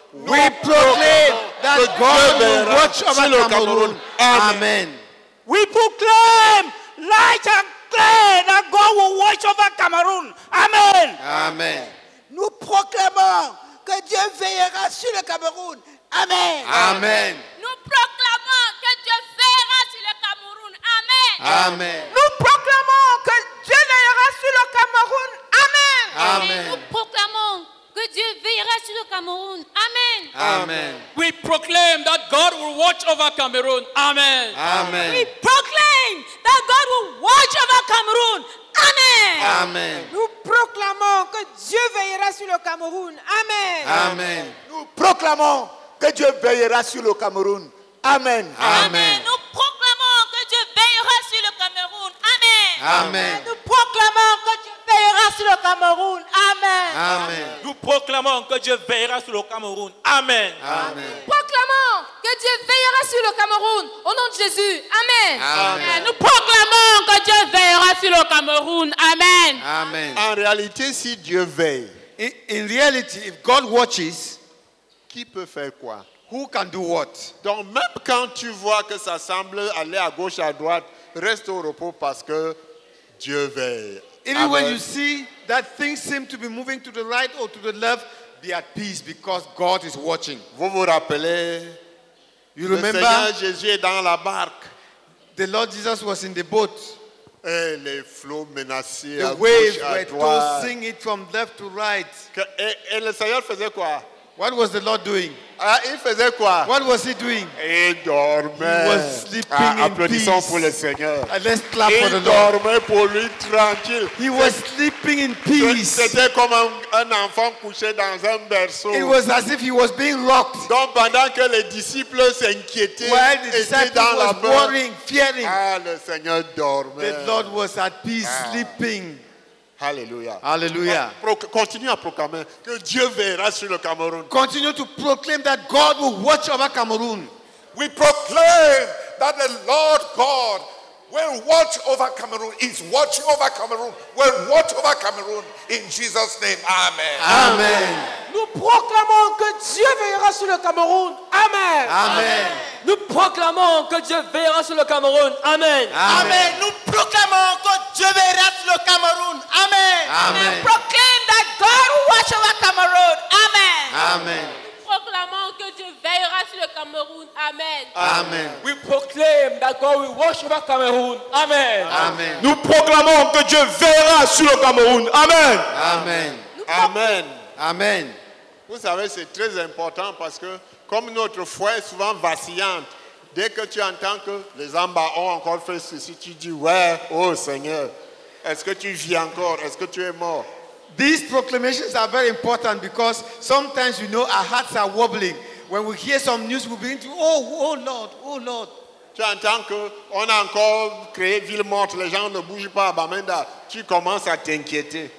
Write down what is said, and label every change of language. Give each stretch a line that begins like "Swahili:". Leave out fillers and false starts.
English: We proclaim that God will watch over Cameroon. Cameroon. Amen. Amen. We proclaim light and clear that God will watch over Cameroon. Amen. Amen.
French: Nous proclamons que Dieu veillera sur le Cameroun. Amen. Amen. Nous proclamons que Dieu veillera sur le Cameroun. Amen. Amen. Nous proclamons que Dieu veillera sur le Cameroun. Amen. Amen. Et nous proclamons que Dieu veillera sur le Cameroun. Amen. Amen.
English: We proclaim that God will watch over Cameroon. Amen. Amen. We proclaim that God will watch over Cameroon. Amen. Amen.
French: Nous proclamons que Dieu veillera sur le Cameroun. Amen. Amen. Nous proclamons que Dieu veillera sur le Cameroun. Amen. Amen. Nous proclamons que Dieu veillera sur le Cameroun. Amen. Amen. Nous proclamons que Dieu veillera sur le Cameroun. Amen. Amen. Nous proclamons que Dieu veillera sur le Cameroun. Amen. Amen. Nous proclamons que Dieu veillera sur le Cameroun. Au nom de Jésus. Amen. Amen. Nous proclamons que Dieu veillera sur le Cameroun. Amen. Amen. En réalité, si Dieu veille,
English: in reality, if God watches,
French: qui peut faire quoi?
English: Who can do what?
French: Donc même quand tu vois que ça semble aller à gauche, à droite, reste au repos parce que Dieu veille.
English: Even when you see that things seem to be moving to the right or to the left, be at peace because God is watching.
French: Vous vous rappelez?
English: You remember?
French: Le Seigneur Jésus est dans la barque.
English: The Lord Jesus was in the boat.
French: Et les flots menaçaient.
English: The waves were tossing it from left to right.
French: Et le Seigneur faisait quoi?
English: What was the Lord doing?
French: Il faisait quoi?
English: What was he doing?
French: Il dormait.
English: He was sleeping in peace.
French: Applaudissons pour le Seigneur.
English: Let's clap for the Lord.
French: Il dormait pour lui tranquille.
English: He was sleeping in peace.
French: C'était comme un enfant couché dans un berceau.
English: It was as if he was being rocked.
French: Donc pendant que les disciples s'inquiétaient,
English: while the disciples were worrying, fearing,
French: le Seigneur dormait.
English: The Lord was at peace, sleeping. Hallelujah. Hallelujah.
French: Continue à proclamer que Dieu veillera sur le Cameroun.
English: Continue to proclaim that God will watch over Cameroon. We proclaim that the Lord God will watch over Cameroon. He's watching over Cameroon. Will watch over Cameroon in Jesus' name. Amen. Amen.
French: Nous proclamons que Dieu veillera sur le Cameroun. Amen. Amen. Nous proclamons que Dieu veillera sur le Cameroun. Amen. Amen. Nous proclamons que Dieu veillera sur le Cameroun. Amen. Amen.
English: We proclaim that God will watch over Cameroon. Amen. Amen.
French: Proclamons que Dieu veillera sur le Cameroun. Amen. Amen.
English: We proclaim that God will watch over Cameroon. Amen. Amen.
French: Nous proclamons que Dieu veillera sur le Cameroun. Amen. Amen. Amen. Amen. Vous savez, c'est très important parce que comme notre foi est souvent vacillante, dès que tu entends que les en bas ont encore fait ceci, tu dis, ouais, oh Seigneur, est-ce que tu vis encore? Est-ce que tu es mort?
English: These proclamations are very important because sometimes, you know, our hearts are wobbling. When we hear some news, we begin to, oh, oh Lord, oh Lord.
French: Tu entends qu'on a encore créé ville morte, les gens ne bougent pas à Bamenda, tu commences à t'inquiéter.